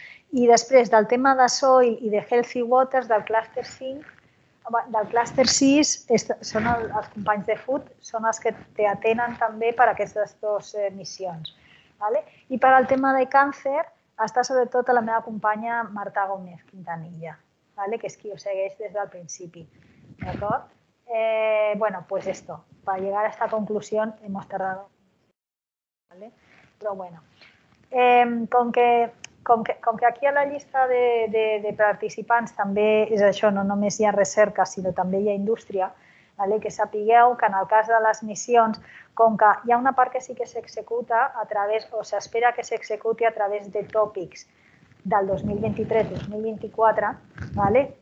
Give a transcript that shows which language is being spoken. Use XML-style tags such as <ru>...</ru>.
<ca>I després del tema de soil i de healthy waters del clúster 5, del clúster 6, són els companys de food, són els que t'atenen també per aquestes dues missions. ¿Vale? I per al tema de càncer, està sobretot a la meva companya Marta Gómez Quintanilla, ¿vale? Que és qui ho segueix des del principi. D'acord?</ca> <es>Bueno, pues esto. Para llegar a esta conclusión hemos tardado. ¿Vale?</es> <ca>Però bueno, com que aquí a la llista de participants també és això, no només hi ha recerca, sinó també hi ha indústria, ¿vale? Que sapigueu que en el cas de les missions, com que hi ha una part que sí que s'executa a través, o s'espera que s'executi a través de tòpics del 2023-2024, ¿vale?</ca>